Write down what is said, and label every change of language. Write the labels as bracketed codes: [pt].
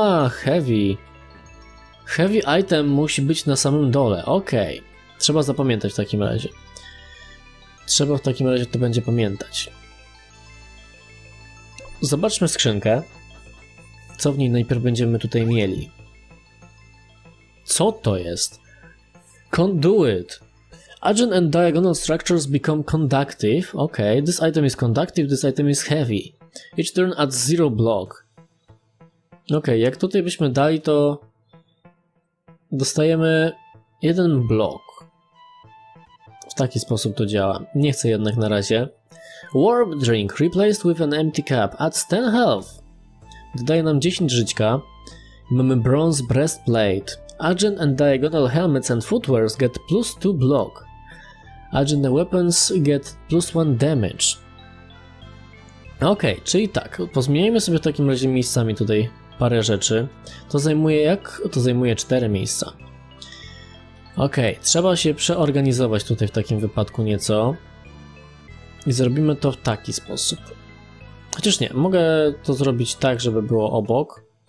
[pl] heavy. Heavy item musi być na samym dole, okej. Okay. Trzeba zapamiętać w takim razie. Trzeba w takim razie to będzie pamiętać. Zobaczmy skrzynkę. Co w niej najpierw będziemy tutaj mieli? Co to jest? Conduit. [en] Agent and diagonal structures become conductive. Okej, okay. This item is conductive, this item is heavy. Each turn at zero block. [pl] Okej, jak tutaj byśmy dali, to dostajemy jeden blok. W taki sposób to działa. Nie chcę jednak na razie. [en] Warp drink replaced with an empty cup adds 10 health. [pl] Dodaje nam 10 żyćka. Mamy bronze breastplate. [en] Agent and diagonal helmets and footwears get plus 2 block. Agent and weapons get plus 1 damage. [pl] Okej, czyli tak, pozmieniajmy sobie w takim razie miejscami tutaj parę rzeczy. To zajmuje jak? To zajmuje 4 miejsca. Okej, trzeba się przeorganizować tutaj w takim wypadku nieco. I zrobimy to w taki sposób. Chociaż nie, mogę to zrobić tak, żeby było obok.